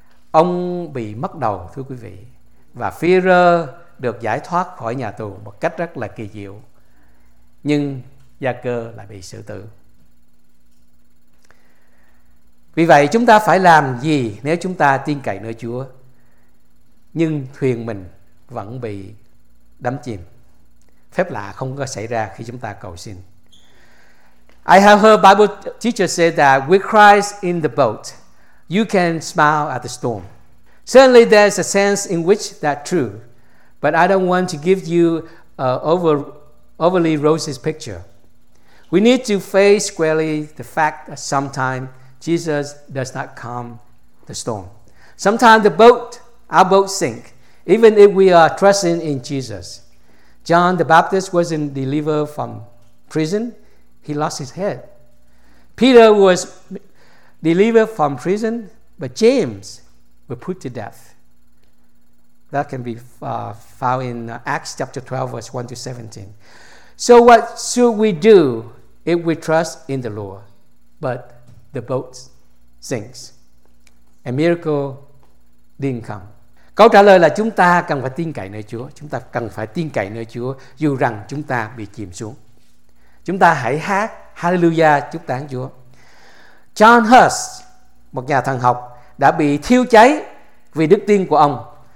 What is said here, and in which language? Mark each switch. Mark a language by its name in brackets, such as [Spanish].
[Vietnamese] Ông bị mất đầu, thưa quý vị, và Phi-rơ được giải thoát khỏi nhà tù một cách rất là kỳ diệu, nhưng Gia-cơ lại bị xử tử. Vì vậy chúng ta phải làm gì nếu chúng ta tin cậy nơi Chúa nhưng thuyền mình vẫn bị đắm chìm? Phép lạ không có xảy ra khi chúng ta cầu xin. [English] I have heard Bible teachers say that with Christ in the boat, you can smile at the storm. Certainly there's a sense in which that's true, but I don't want to give you an overly rosy picture. We need to face squarely the fact that sometimes Jesus does not calm the storm. Sometimes the boat, our boat sink, even if we are trusting in Jesus. John the Baptist wasn't delivered from prison. He lost his head. Peter was delivered from prison, but James was put to death. That can be found in Acts chapter 12, verse 1 to 17. So what should we do if we trust in the Lord, but the boat sinks? A miracle didn't come. [Vietnamese] Câu trả lời là chúng ta cần phải tin cậy nơi Chúa. Chúng ta cần phải tin cậy nơi Chúa dù rằng chúng ta bị chìm xuống. Chúng ta hãy hát Hallelujah chúc tán Chúa. John Huss, một nhà thần học, đã bị thiêu cháy vì đức tin của ông.